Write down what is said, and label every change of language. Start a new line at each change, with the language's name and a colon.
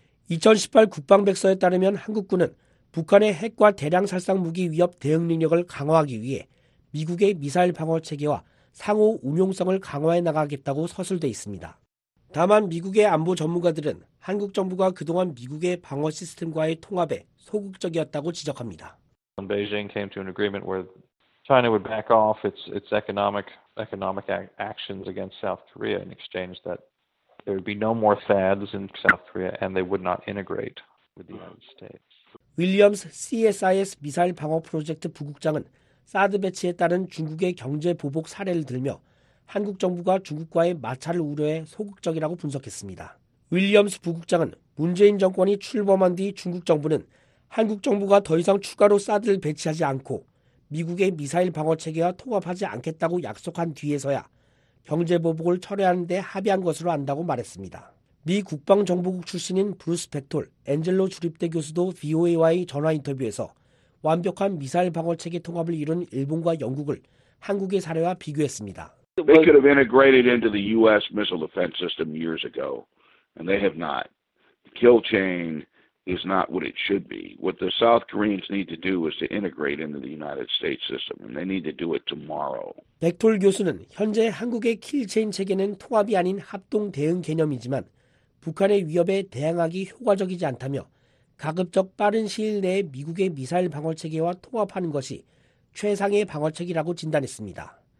Korean: 2018 국방백서에 따르면 한국군은 북한의 핵과 대량 살상 무기 위협 대응 능력을 강화하기 위해 미국의 미사일 방어 체계와 상호 운용성을 강화해 나가겠다고 서술돼 있습니다. 다만 미국의 안보 전문가들은 한국 정부가 그동안 미국의 방어 시스템과의 통합에 소극적이었다고 지적합니다.
English: Beijing came to an agreement where China would back off its economic actions against South Korea in exchange that there would be no more THAADs in South Korea and they would not integrate with the United States.
Korean: 윌리엄스 CSIS 미사일 방어 프로젝트 부국장은 사드 배치에 따른 중국의 경제 보복 사례를 들며 한국 정부가 중국과의 마찰을 우려해 소극적이라고 분석했습니다. 윌리엄스 부국장은 문재인 정권이 출범한 뒤 중국 정부는 한국 정부가 더 이상 추가로 사드를 배치하지 않고 미국의 미사일 방어 체계와 통합하지 않겠다고 약속한 뒤에서야 경제 보복을 철회하는 데 합의한 것으로 안다고 말했습니다. 미 국방정보국 출신인 브루스 백톨, 앤젤로 주립대 교수도 VOA와의 전화 인터뷰에서 완벽한 미사일 방어 체계 통합을 이룬 일본과 영국을 한국의 사례와 비교했습니다.
English: They could have integrated into the U.S. missile defense system years ago, and they have not. The kill chain is not what it should be. What the South Koreans need to do is to integrate into the United States system, and they need to do it tomorrow.
Korean: 백톨 교수는 현재 한국의 킬체인 체계는 통합이 아닌 합동 대응 개념이지만 북한의 위협에 대응하기 효과적이지 않다며 가급적 빠른 시일 내에 미국의 미사일 방어체계와 통합하는 것이 최상의 방어책이라고 진단했습니다.